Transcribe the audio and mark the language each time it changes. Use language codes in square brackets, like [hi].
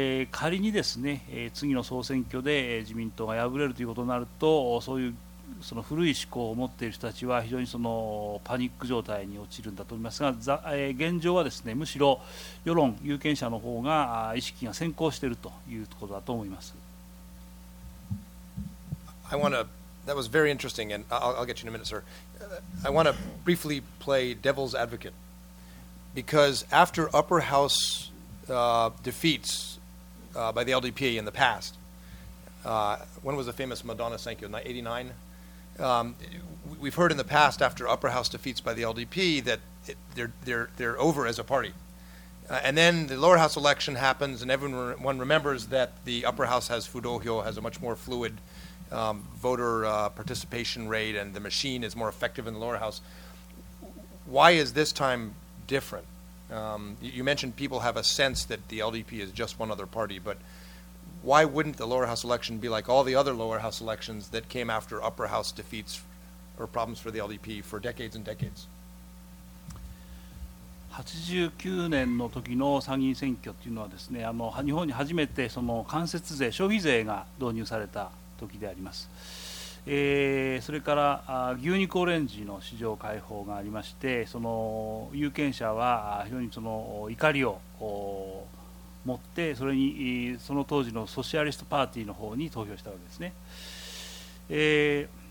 [ja] 仮にですね、次の総選挙で自民党が敗れるということになると、そういうその古い思考を持っている人たちは非常にそのパニック状態に陥るんだと思いますが、現状はですね、むしろ世論、有権者の方が意識が先行しているということだと思います。 [en] That was very interesting, and I'll get you in a minute, sir. I want to briefly play devil's advocate, because after upper house defeats by the LDP in the past, when was the famous Madonna Senkyo, 89? We've heard in the past after upper house defeats by the LDP that they're over as a party. And then the lower house election happens, and everyone remembers that the upper house has Fudohyo, has a much more fluid voter participation rate, and the machine is more effective in the lower house. Why is this time different? You mentioned people have a sense that the LDP is just one other party, but why wouldn't the lower house election be like all the other lower house elections that came after upper house defeats or problems for the LDP for decades and decades? [ja] 89年の時の参議院選挙というのはですね、日本に初めてその間接税、消費税が導入された時であります。それから牛肉オレンジの市場開放がありまして、その有権者は非常にその怒りを持って、それにその当時のソシアリストパーティーの方に投票したわけですね。